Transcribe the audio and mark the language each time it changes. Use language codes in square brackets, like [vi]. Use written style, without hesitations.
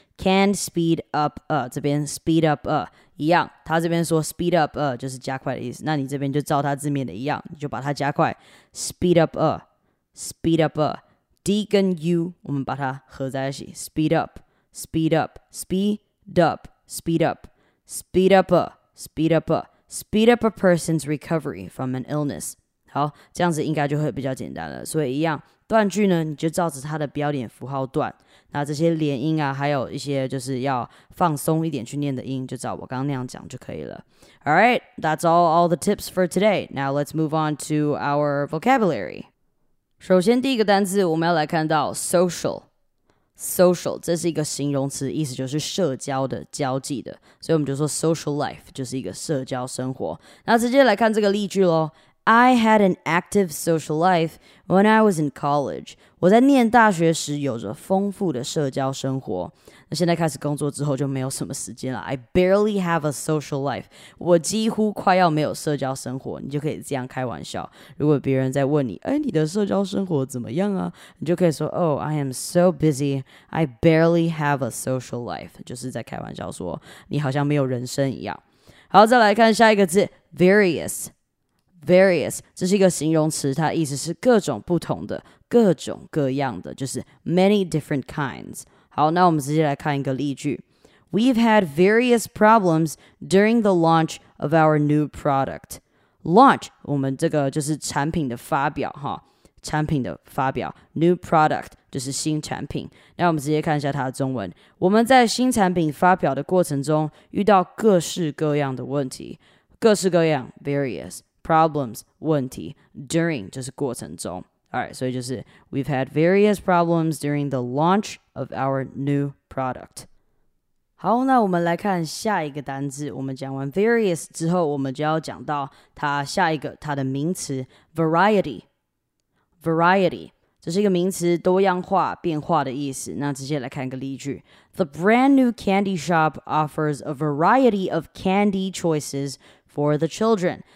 [en] Can speed up a, [zh] 这边 [en] speed up a, [zh] 一样，他这边说 [en] speed up a [zh] 就是加快的意思，那你这边就照他字面的一样，你就把它加快， [en] speed up a, speed up a, [zh] D 跟 U 我们把它合在一起， [en] speed up, speed up, speed up, speed up, speed up a, speed up a, speed up a person's recovery from an illness. [zh] 好，这样子应该就会比较简单了，所以一样断句呢，你就照着它的标点符号断，那这些连音啊，还有一些就是要放松一点去念的音，就照我刚刚那样讲就可以了。 [en] All right, that's all the tips for today. Now let's move on to our vocabulary. [zh] 首先第一个单字我们要来看到 social， 这是一个形容词，意思就是社交的、交际的，所以我们就说 social life 就是一个社交生活。那直接来看这个例句咯。 [en] I had an active social life when I was in college. [zh] 我在念大学时有着丰富的社交生活。那现在开始工作之后就没有什么时间了。 [en] I barely have a social life. [zh] 我几乎快要没有社交生活。你就可以这样开玩笑。如果别人在问你，哎，你的社交生活怎么样啊？你就可以说 [en] ，Oh, I am so busy. I barely have a social life. [zh] 就是在开玩笑说你好像没有人生一样。好，再来看下一个字 ，various。Various 这是一个形容词，它意思是各种不同的，各种各样的，就是 [en] many different kinds。 [zh] 好，那我们直接来看一个例句。 [en] We've had various problems during the launch of our new product. [zh] Launch 我们这个就是产品的发表哈，产品的发表 ，new product 就是新产品。那我们直接看一下它的中文。我们在新产品发表的过程中遇到各式各样的问题，各式各样 ，various。 [en] Problems, [zh] 问题 [en] during [zh] 就是过程中 [en] Alright, [zh] 所以就是 [en] We've had various problems during the launch of our new product [zh] 好，那我们来看下一个单字。我们讲完 various 之后，我们就要讲到它下一个它的名词 variety。 Variety 这是一个名词，多样化、变化的意思。那直接来看一个例句 [en] ：The brand new candy shop offers a variety of candy choices for the children.